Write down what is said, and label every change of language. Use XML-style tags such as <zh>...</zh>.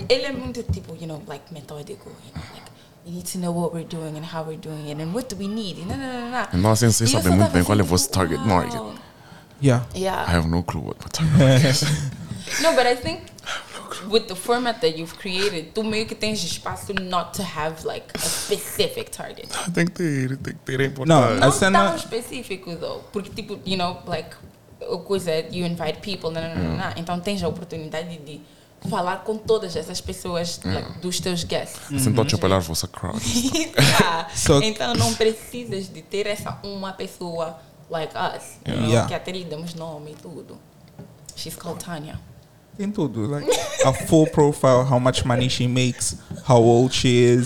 <en>Ele é muito, tipo, you know, like, metódico, you know, like, you need to know what we're doing and how we're doing it and what do we need, and</en> <pt>Não, assim, vocês sabem muito bem qual é o vosso target market.</pt> <en>Yeah. I have no clue what my target market is. No, but I think with the format that you've created,</en> <pt>tu meio que tens espaço</pt> <en>not to have, like, a specific target.</en> <pt>Tem que ter importância. Não, não tão específico,</pt> <en>though,</en> <pt>porque, tipo, you know, like, o coisa,</pt> <en>you invite people,</en> <pt>então tens a oportunidade de falar com todas essas pessoas like, dos teus guests. Sem te apelar a vossa crowd. Então não precisas de ter essa uma pessoa</pt> <en>like us,</en> <pt>que até lhe damos nome e tudo.</pt> <en>She's called Tanya.</en> <pt>Tem tudo,</pt> <en>like a full profile, how much money she makes, how old she is.</en>